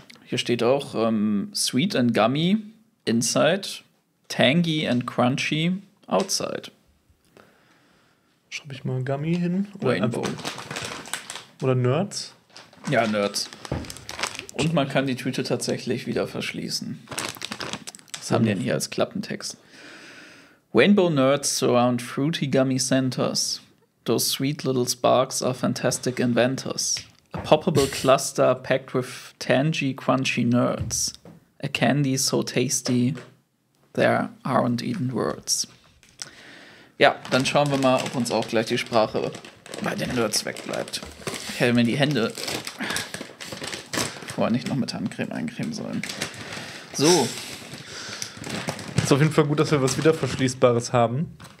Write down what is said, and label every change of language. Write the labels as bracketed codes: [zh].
[de] Hier steht auch [en] Sweet and Gummy inside, Tangy and Crunchy outside. [de] Schreibe ich mal Gummy hin. Rainbow. Oder Nerds. Ja, Nerds. Und man kann die Tüte tatsächlich wieder verschließen. Was haben die denn hier als Klappentext? [en] Rainbow Nerds surround fruity gummy centers. Those sweet little sparks are fantastic inventors. A poppable cluster packed with tangy, crunchy nerds. A candy so tasty, there aren't even words. [de] Ja, dann schauen wir mal, ob uns auch gleich die Sprache bei den Nerds wegbleibt. Ich hätte mir die Hände vorher nicht noch mit Handcreme eincremen sollen. So. Ist auf jeden Fall gut, dass wir was wieder Verschließbares haben.